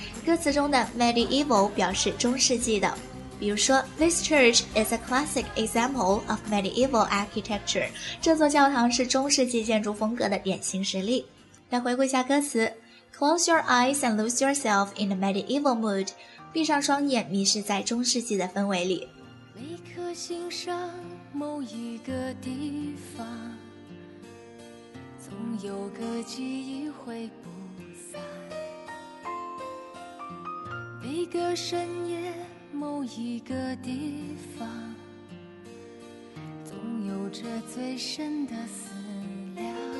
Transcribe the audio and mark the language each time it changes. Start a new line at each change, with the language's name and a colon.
Chinese: 歌词中的 medieval 表示中世纪的，比如说
English: This church is a classic example of medieval architecture.
Chinese: 这座教堂是中世纪建筑风格的典型实例。来回顾一下歌词
English: Close your eyes and lose yourself in a medieval mood.
Chinese: 闭上双眼，迷失在中世纪的氛围里。每颗心上某一个地方，总有个记忆会不散。每个深夜某一个地方，总有着最深的思量。